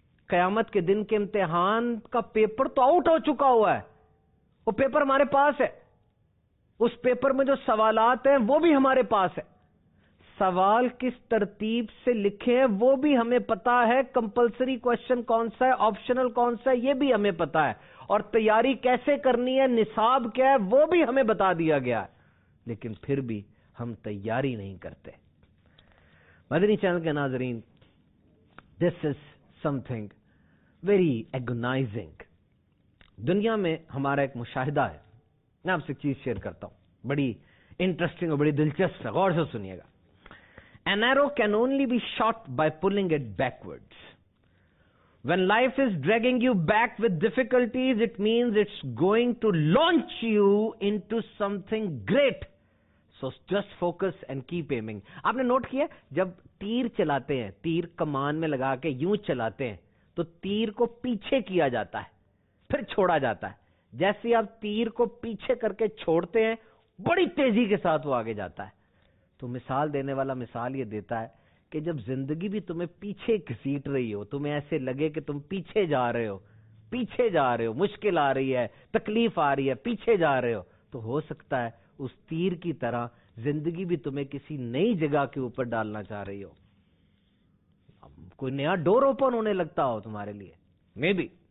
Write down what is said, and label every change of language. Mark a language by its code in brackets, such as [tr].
[ur] قیامت کے دن کے امتحان کا پیپر تو آؤٹ ہو چکا ہوا ہے, وہ پیپر ہمارے پاس ہے, اس پیپر میں جو سوالات ہیں وہ بھی ہمارے پاس ہے, سوال کس ترتیب سے لکھے ہیں وہ بھی ہمیں پتا ہے, کمپلسری کوشچن کون سا ہے, آپشنل کون سا ہے یہ بھی ہمیں پتا ہے, اور تیاری کیسے کرنی ہے, نصاب کیا ہے وہ بھی ہمیں بتا دیا گیا ہے, لیکن پھر بھی ہم تیاری نہیں کرتے. مدنی چینل کے ناظرین, [en] This is something very agonizing. [ur] دنیا میں ہمارا ایک مشاہدہ ہے, میں آپ سے ایک چیز شیئر کرتا ہوں, بڑی انٹرسٹنگ اور بڑی دلچسپ ہے, غور سے سنیے گا. [en] An arrow can only be shot by pulling it backwards. When life is dragging you back with difficulties, it means it's going to launch you into something great. So just focus and keep aiming. [ur] آپ نے note کیا, جب تیر چلاتے ہیں, تیر کمان میں لگا کے یوں چلاتے ہیں, تو تیر کو پیچھے کیا جاتا ہے پھر چھوڑا جاتا ہے. جیسے آپ تیر کو پیچھے کر کے چھوڑتے ہیں, بڑی تیزی کے ساتھ وہ آگے جاتا ہے. تو مثال دینے والا مثال یہ دیتا ہے کہ جب زندگی بھی تمہیں پیچھے گھسیٹ رہی ہو, تمہیں ایسے لگے کہ تم پیچھے جا رہے ہو, پیچھے جا رہے ہو, مشکل آ رہی ہے, تکلیف آ رہی ہے, پیچھے جا رہے ہو, تو ہو سکتا ہے اس تیر کی طرح زندگی بھی تمہیں کسی نئی جگہ کے اوپر ڈالنا چاہ رہی ہو, کوئی نیا ڈور اوپن ہونے لگتا ہو تمہارے لیے, مے بی.